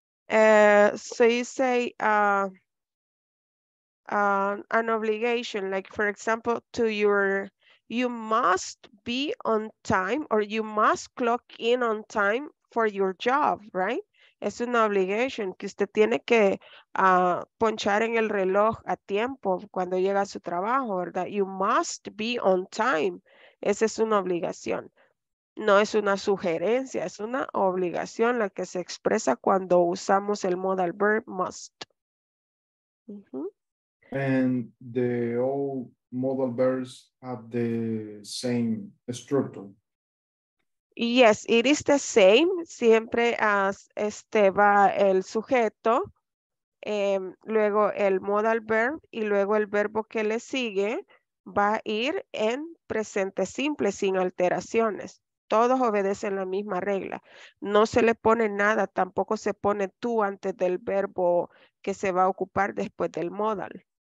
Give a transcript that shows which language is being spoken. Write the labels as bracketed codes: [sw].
[en] So you say an obligation, like for example, to your, you must be on time or you must clock in on time for your job, right? [es] Es una obligación que usted tiene que ponchar en el reloj a tiempo cuando llega a su trabajo, ¿verdad? [en] You must be on time. [es] Esa es una obligación. No es una sugerencia, es una obligación la que se expresa cuando usamos el modal verb must. Uh-huh. [en] And the all modal verbs have the same structure. Yes, it is the same. [es] Siempre as este va el sujeto, luego el modal verb y luego el verbo que le sigue va a ir en presente simple sin alteraciones. Todos obedecen la misma regla. No se le pone nada, tampoco se pone tú antes del verbo que se va a ocupar después del modal.